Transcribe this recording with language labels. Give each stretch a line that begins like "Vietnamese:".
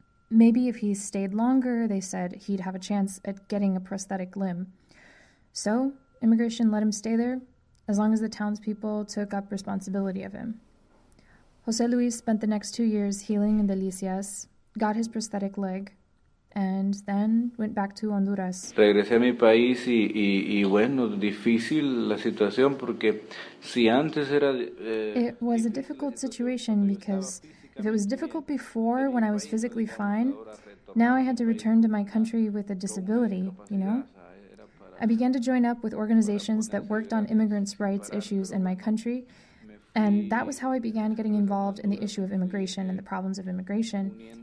English: Maybe if he stayed longer, they said, he'd have a chance at getting a prosthetic limb. So immigration let him stay there, as long as the townspeople took up responsibility of him. José Luis spent the next 2 years healing in Delicias, got his prosthetic leg, and then went back to Honduras.
Spanish: Regresé a mi país y bueno, difícil la situación porque si antes era...
English: It was a difficult situation because if it was difficult before when I was physically fine, now I had to return to my country with a disability, you know? I began to join up with organizations that worked on immigrants' rights issues in my country, and that was how I began getting involved in the issue of immigration and the problems of immigration.